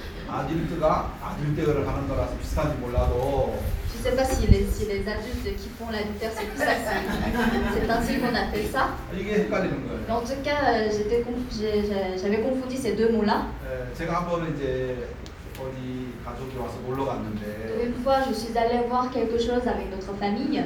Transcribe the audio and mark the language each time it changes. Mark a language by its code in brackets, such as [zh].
[ko] 아들트가 아들대어를 하는 거라서 비슷한지 몰라도. [fr] Je sais pas si les adultes qui font l'adultère c'est plus facile. C'est ainsi qu'on appelle ça. [ko] 이게 헷갈리는 거예요. [fr] En tout cas, j'avais confondu ces deux mots-là. [ko] 제가 한 번은 이제 어디 가족이 와서 놀러 갔는데. [fr] Une fois, je suis allée voir quelque chose avec notre famille.